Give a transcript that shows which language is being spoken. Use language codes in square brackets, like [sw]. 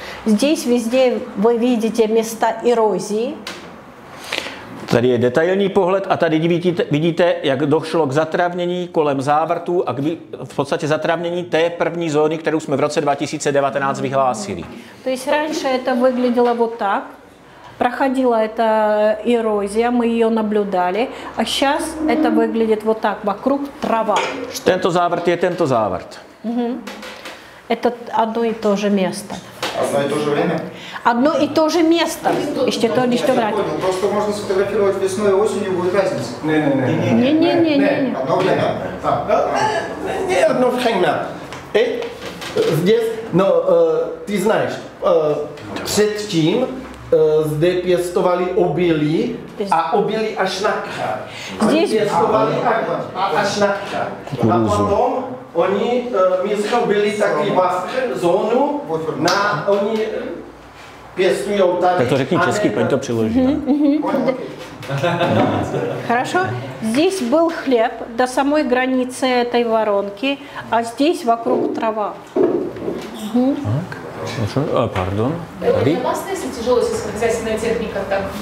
[cs] Zde všude vy vidíte místa erozí. Tady je detailní pohled a tady vidíte, jak došlo k zatravnění kolem závrtů a v podstatě zatravnění té první zóny, kterou jsme v roce 2019 vyhlásili. To je, [ru] раньше это выглядело вот так. Проходила эта эрозия, мы ее наблюдали, а сейчас это выглядит вот так, вокруг трава. [cs] Tento závrt je tento závrt. [ru] Это одно и то же место. Одно и то же время? Одно и то же место. Еще то, еще врать. Просто можно сфотографировать весной и осенью, будет разница. Не. Одно время. Здесь, но ты знаешь, перед тем здесь пестовали обилие, а обилие аж на край. Здесь пестовали аж на край. А потом [cs] oni místo byli taky vás zónu na oni pěstují tady. Tak to řekni česky, paní to přiloží. [ru] Хорошо. Здесь был хлеб до самой границы этой воронки, а здесь вокруг трава. Так. Pardon. Это опасно, если тяжелая сельскохозяйственная техника так.